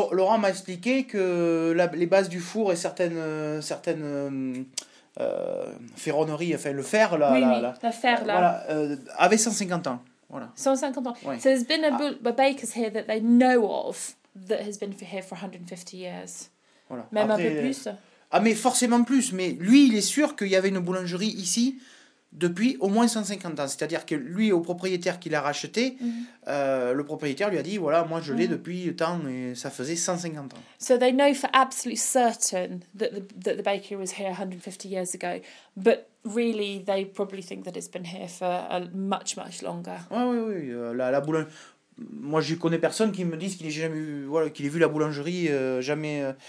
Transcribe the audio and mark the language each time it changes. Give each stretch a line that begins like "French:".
French: Laurent m'a expliqué que les bases du four et certaines ferronneries, enfin le fer, là. Oui, la fer, là. Voilà, avait 150 ans. Voilà. 150 ans. Oui.
English: So there's been a baker's here that they know of that has been here for 150 years.
French: Voilà. Même après, un peu plus. Ah, mais forcément plus. Mais lui, il est sûr qu'il y avait une boulangerie ici. Depuis au moins 150 ans, c'est-à-dire que lui, au propriétaire qui l'a racheté, le propriétaire lui a dit, voilà, moi je l'ai depuis tant, et ça faisait 150 ans.
English: So they know for absolutely certain that the bakery was here 150 years ago, but really they probably think that it's been here for a much, much longer.
French: Oui, la boulangerie. Moi, je connais personne qui me dise qu'il ait jamais vu, voilà, qu'il ait vu la boulangerie, jamais.